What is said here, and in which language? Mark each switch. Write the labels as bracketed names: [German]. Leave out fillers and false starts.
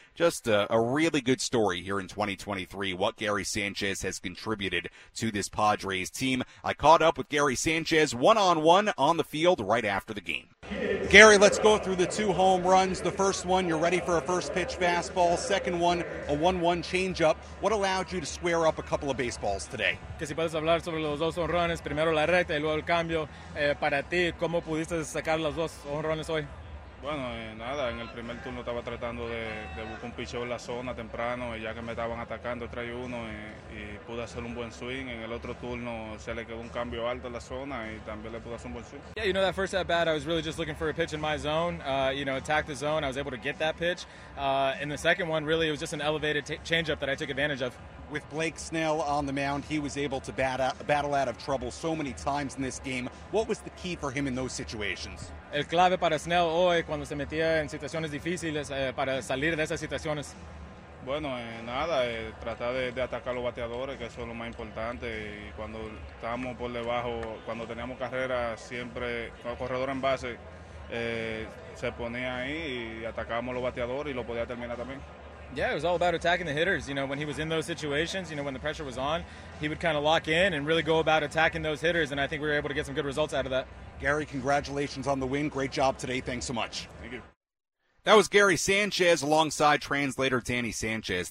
[English] Just a really good story here in 2023, what Gary Sanchez has contributed to this Padres team. I caught up with Gary Sanchez one-on-one on the field right after the game. Gary, let's go through the two home runs. The first one, you're ready for a first-pitch fastball. Second one, a 1-1 changeup. What allowed you to square up a couple of baseballs today? [Spanish] Que si puedes hablar sobre los dos honrones, primero la recta y luego el cambio. Para ti, ¿cómo pudiste sacar los dos honrones hoy? Bueno, nada, en el primer turno estaba tratando de buscar un picheo en la zona temprano, y ya que me estaban atacando 3-1 y pude hacer un buen swing. En el otro turno se le quedó un cambio alto en la zona y también le pude hacer un buen swing. [English] Yeah, you know, that first at bat, I was really just looking for a pitch in my zone, you know, attack the zone. I was able to get that pitch. In the second one, really, it was just an elevated changeup that I took advantage of. With Blake Snell on the mound, he was able to battle out of trouble so many times in this game. What was the key for him in those situations? [Spanish] El clave para Snell hoy cuando se metía en situaciones difíciles para salir de esas situaciones. Bueno, nada, tratar de atacar los bateadores, que eso es lo más importante. Y cuando estábamos por debajo, cuando teníamos carrera, siempre con el corredor en base, se ponía ahí y atacábamos los bateadores y lo podía terminar también. [English] Yeah, it was all about attacking the hitters. You know, when he was in those situations, you know, when the pressure was on, he would kind of lock in and really go about attacking those hitters, and I think we were able to get some good results out of that. Gary, congratulations on the win. Great job today. Thanks so much. Thank you. That was Gary Sanchez alongside translator Danny Sanchez.